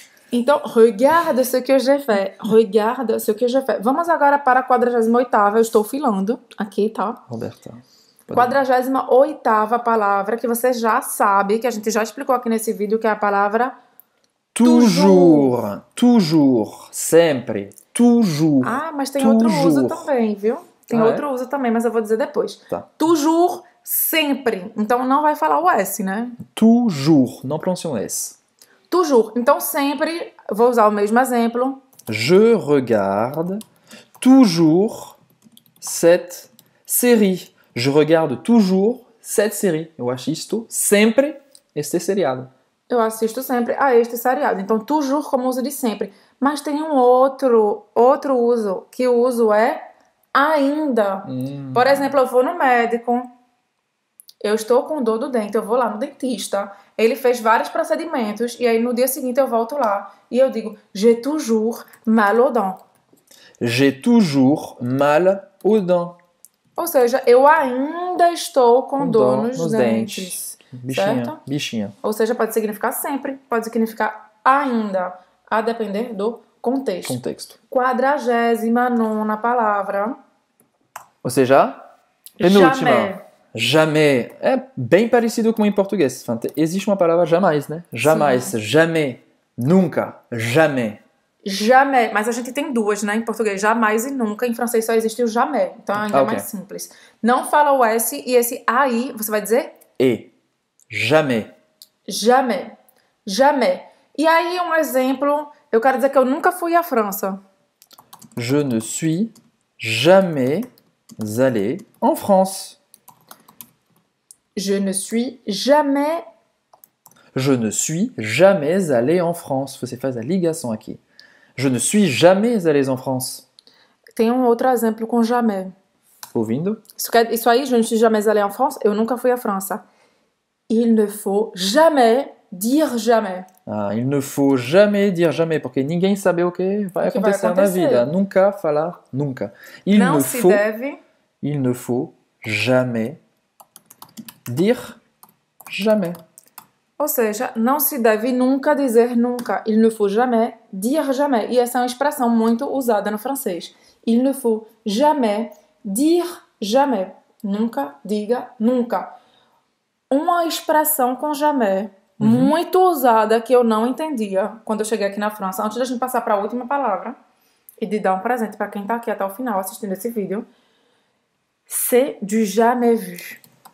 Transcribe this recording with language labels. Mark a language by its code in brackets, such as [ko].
[fr] Então, regarde ce que j'ai fait. Regarde ce que j'ai fait. [pt] Vamos agora para a 48ª. Eu estou filando aqui, tá? Roberta, pode. 48ª palavra que você já sabe, que a gente já explicou aqui nesse vídeo, que é a palavra toujours. Toujours, toujours, sempre, toujours, Ah, mas tem outro uso toujours. também, viu? Tem Ah, é? outro uso também, mas eu vou dizer depois. Tá. Toujours, sempre. Então não vai falar o S, né? Toujours, não pronuncie um S. Toujours. Então sempre, vou usar o mesmo exemplo. [fr] Je regarde toujours cette série. Je regarde toujours cette série. [pt] Eu assisto sempre este seriado. Eu assisto sempre a este seriado. Então toujours como uso de sempre. Mas tem um outro uso, que o uso é ainda. Por exemplo, eu vou no médico, eu estou com dor do dente, eu vou lá no dentista, ele fez vários procedimentos, e aí no dia seguinte eu volto lá e eu digo: [fr] J'ai toujours mal aux dents. J'ai toujours mal aux dents. [pt] Ou seja, eu ainda estou com Com dor dor nos nos dentes. dentes, Bichinha, certo? bichinha. Ou seja, pode significar sempre, pode significar ainda, a depender do contexto. Contexto. 49ª palavra. Ou seja, penúltima. Jamais. Jamais. É bem parecido com em português. Enfin, existe uma palavra jamais, né? Sim. Jamais. Jamais. Nunca. Jamais. Jamais. Mas a gente tem duas, né? Em português, jamais e nunca. Em francês só existe o jamais. Então ainda é Ah, ok. mais simples. Não fala o S e esse aí você vai dizer? E. Jamais. Jamais. Jamais. E aí um exemplo. Eu quero dizer que eu nunca fui à França. [fr] Je ne suis jamais allé en France. Je ne suis jamais. Je ne suis jamais allé en France. [pt] Você faz a ligação aqui. [fr] Je ne suis jamais allé en France. [pt] Tem um outro exemplo com jamais. Ouvindo? [fr] Isso aí, je ne suis jamais allé en France. [pt] Eu nunca fui à França. [fr] Il ne faut jamais dire jamais. [pt] Ah, [fr] il ne faut jamais dire jamais, [pt] porque ninguém sabe o que vai O que vai acontecer na vida. acontecer? Nunca falar, nunca. Não se deve. [fr] Il ne faut jamais dire jamais. [pt] Ou seja, não se deve nunca dizer nunca. [fr] Il ne faut jamais dire jamais. [pt] E essa é uma expressão muito usada no francês. [fr] Il ne faut jamais dire jamais. [pt] Nunca diga nunca. Uma expressão com jamais. Muito usada que eu não entendia quando eu cheguei aqui na França. Antes da gente passar para a última palavra e de dar um presente para quem está aqui até o final assistindo esse vídeo, [fr] c'est du jamais vu.